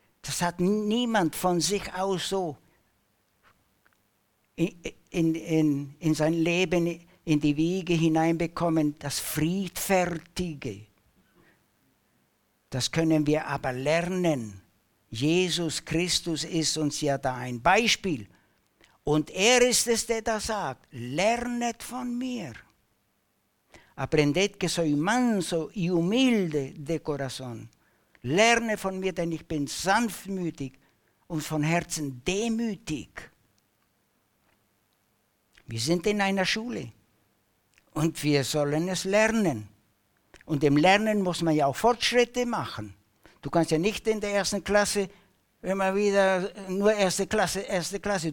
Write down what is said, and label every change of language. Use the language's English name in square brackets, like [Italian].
[German] Das hat niemand von sich aus so in sein Leben in die Wiege hineinbekommen, das Friedfertige. Das können wir aber lernen. Jesus Christus ist uns ja da ein Beispiel. Und er ist es, der da sagt, lernet von mir. [Spanish] Aprendet que soy manso y humilde de corazón. [German] Lerne von mir, denn ich bin sanftmütig und von Herzen demütig. Wir sind in einer Schule und wir sollen es lernen. Und im Lernen muss man ja auch Fortschritte machen. Du kannst ja nicht in der ersten Klasse immer wieder nur erste Klasse.